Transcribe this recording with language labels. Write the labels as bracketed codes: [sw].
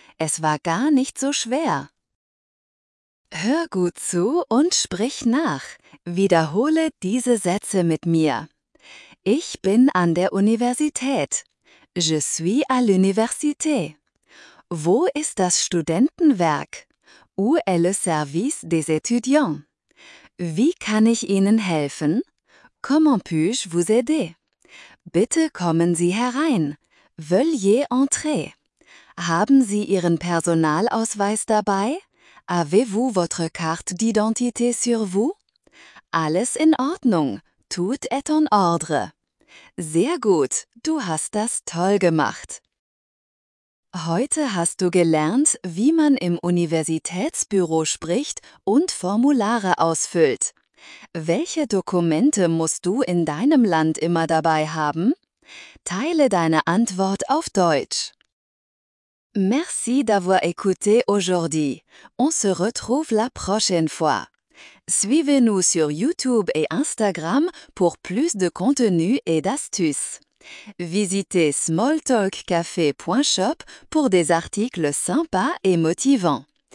[de] Es war gar nicht so schwer. Hör gut zu und sprich nach. Wiederhole diese Sätze mit mir. Ich bin an der Universität. [fr] Je suis à l'université. [de] Wo ist das Studentenwerk? [fr] Où est le service des étudiants? [de] Wie kann ich Ihnen helfen? [fr] Comment puis-je vous aider? [de] Bitte kommen Sie herein. [fr] Veuillez entrer. [de] Haben Sie Ihren Personalausweis dabei? [fr] Avez-vous votre carte d'identité sur vous? Alles in Ordnung. Tout est en ordre. [de] Sehr gut, du hast das toll gemacht. Heute hast du gelernt, wie man im Universitätsbüro spricht und Formulare ausfüllt. Welche Dokumente musst du in deinem Land immer dabei haben? Teile deine Antwort auf Deutsch. [fr] Merci d'avoir écouté aujourd'hui. On se retrouve la prochaine fois. Suivez-nous sur YouTube et Instagram pour plus de contenu et d'astuces. Visitez smalltalkcafe.shop pour des articles sympas et motivants.